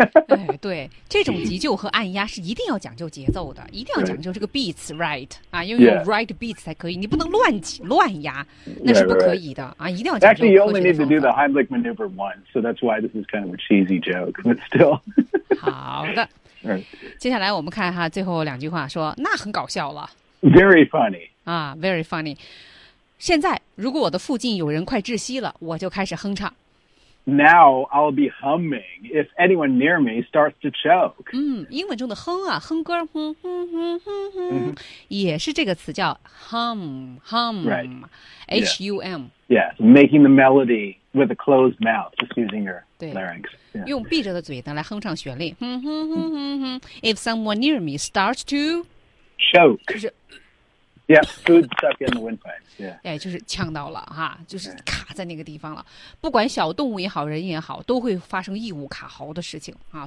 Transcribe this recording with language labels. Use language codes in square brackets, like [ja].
[zh] 哎，对，这种急救和按压是一定要讲究节奏的，一定要讲究这个 [en] beats, right? [zh] 啊，因为有 [en] right beats [zh] 才可以，你不能乱挤乱压，那是不可以的啊，一定要讲究。 [en] Actually, you only need to do the Heimlich maneuver once, so that's why this is kind of a cheesy joke, but still. [zh] 好的。接下来我们看哈最后两句话说那很搞笑了 [en] Very funny [zh] 啊 [en] very funny [zh] 现在如果我的附近有人快窒息了我就开始哼唱 [en] Now I'll be humming if anyone near me starts to choke [zh] 英文中的哼啊哼歌哼哼哼哼哼也是这个词叫 [en] hum hum、 right. H-U-M yes. yes making the melody with a closed mouth just using your larynx Yeah. [zh] 用闭着的嘴呢来哼唱旋律。 [en] 哼哼哼哼哼。If someone near me starts to choke, [zh] 就是 [en] yeah, food stuck in the windpipe. Yeah, [zh] 哎，就是呛到了哈，就是卡在那个地方了。不管小动物也好，人也好，都会发生异物卡喉的事情啊。